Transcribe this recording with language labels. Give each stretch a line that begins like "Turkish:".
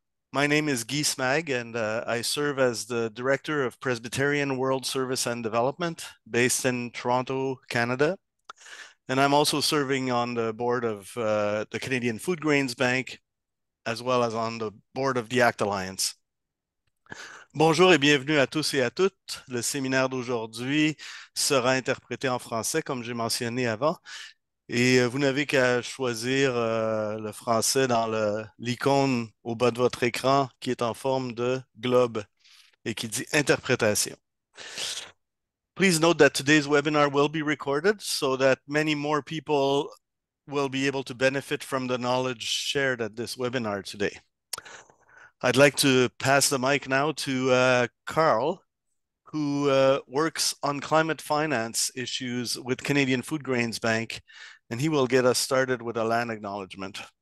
English: My name is Guy Smag, and I serve as the Director of Presbyterian World Service and Development based in Toronto, Canada. And I'm also serving on the board of the Canadian Foodgrains Bank, as well as on the board of the ACT Alliance.
French: Bonjour et bienvenue à tous et à toutes. Le séminaire d'aujourd'hui sera interprété en français, comme j'ai mentionné avant. Et vous n'avez qu'à choisir le français dans l'icône au bas de votre écran qui est en forme de globe et qui dit interprétation.
English: Please note that today's webinar will be recorded so that many more people will be able to benefit from the knowledge shared at this webinar today. I'd like to pass the mic now to Carl, who works on climate finance issues with Canadian Foodgrains Bank, and he will get us started with a land acknowledgement.